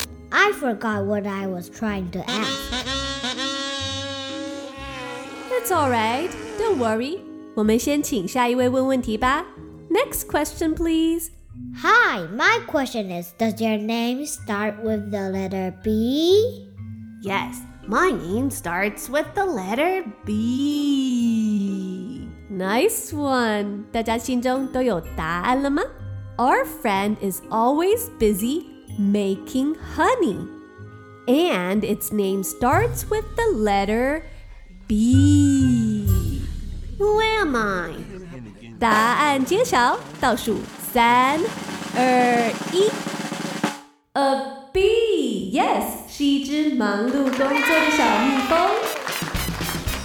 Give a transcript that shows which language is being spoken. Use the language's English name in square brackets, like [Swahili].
[English] I forgot what I was trying to ask. That's all right. Don't worry. [Chinese] 我们先请下一位问问题吧。 [English] Next question, please. Hi, my question is, does your name start with the letter B? Yes, my name starts with the letter B. Nice one. [Chinese] 大家心中都有答案了吗? [English] Our friend is always busy making honey. And its name starts with the letter B. Who am I? [Chinese] 答案揭晓,倒数三二一 [English] A bee, yes, [Chinese] 是一只忙碌工作的小蜜蜂。